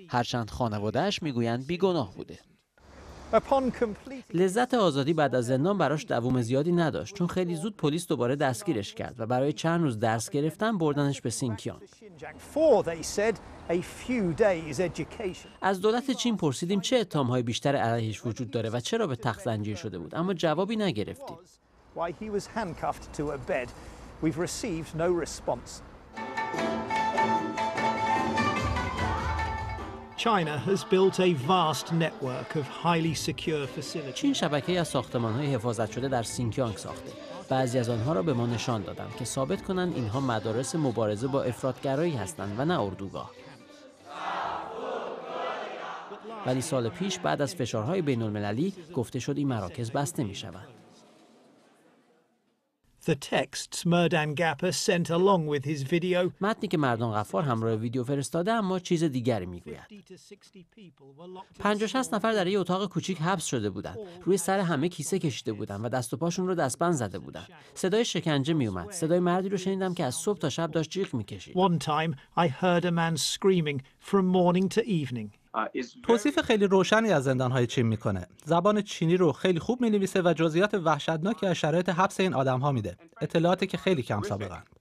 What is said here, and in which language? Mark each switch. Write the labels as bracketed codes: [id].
[fa] هرچند خانواده‌اش میگویند بیگناه بوده. لذت آزادی بعد از زندان براش دوام زیادی نداشت چون خیلی زود پلیس دوباره دستگیرش کرد و برای چند روز درس گرفتن بردنش به سینکیانگ. از دولت چین پرسیدیم چه اتهام‌های بیشتر علیهش وجود داره و چرا به تخت زنجیر شده بود، اما جوابی نگرفتیم. [en] Why he was handcuffed to a bed. We've received no response. China has built a vast network of highly secure facilities. [fa] چین شبکه‌ای از ساختمان‌های حفاظت شده در سینکیانگ ساخته. بعضی از آنها را به ما نشان دادند که ثابت کنند اینها مدارس مبارزه با افراط‌گرایی هستند و نه اردوگاه. ولی سال پیش بعد از فشارهای بین‌المللی گفته شد این مراکز بسته می‌شوند. [en] The texts Merdan Gapper sent along with his video. [fa] متنی که مردان غفار همراه ویدیو فرستاده اما چیز دیگری میگوید. 50 60 نفر در یک اتاق کوچک حبس شده بودند. روی سر همه کیسه کشیده بودند و دست و پاشون رو دستبند زده بودند. صدای شکنجه میومد. صدای مردی رو شنیدم که از صبح تا شب داشت جیغ میکشید. [en] One time I heard a man screaming from morning to evening. [fa] توصیف خیلی روشنی از زندان‌های چین می‌کنه. زبان چینی رو خیلی خوب می‌نویسه و جزئیات وحشتناکی از شرایط حبس این آدم‌ها میده. اطلاعاتی که خیلی کم سابقاً.